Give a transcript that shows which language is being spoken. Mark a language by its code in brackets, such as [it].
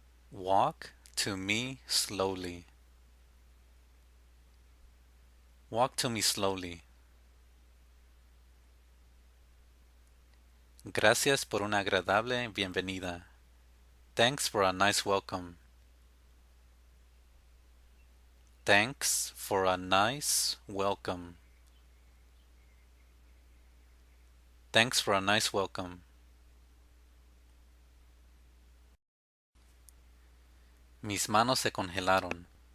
[en] Walk to me slowly. Walk to me slowly. [es] Gracias por una agradable bienvenida. [en] Thanks for a nice welcome. Thanks for a nice welcome. Thanks for a nice welcome. [es] Mis manos se congelaron.